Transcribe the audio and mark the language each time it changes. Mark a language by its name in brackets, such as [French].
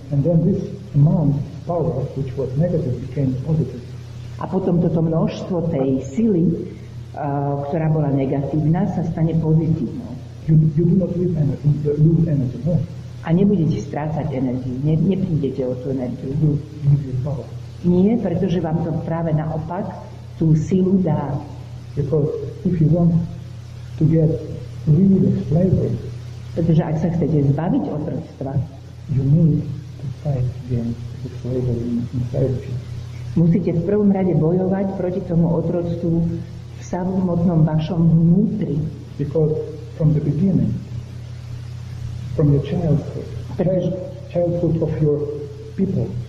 [English] And then this amount of power, which was negative, became positive. [Slovak] A potom toto množstvo tej sily, ktorá bola negatívna, sa stane pozitívnou. [English] You do not lose energy, lose energy, no. [Slovak] A nebudete strácať energiu, neprídete o tú energiu. Nie, pretože vám to práve naopak tú silu dá. [English] Because if you want to get rid of slavery, [Slovak] pretože ak sa chcete zbaviť otroctva, [English] you need to fight against the slavery inside. [Slovak] Musíte v prvom rade bojovať proti tomu otroctvu v samotnom vašom vnútri. [English] Because from the beginning, from your childhood of your people.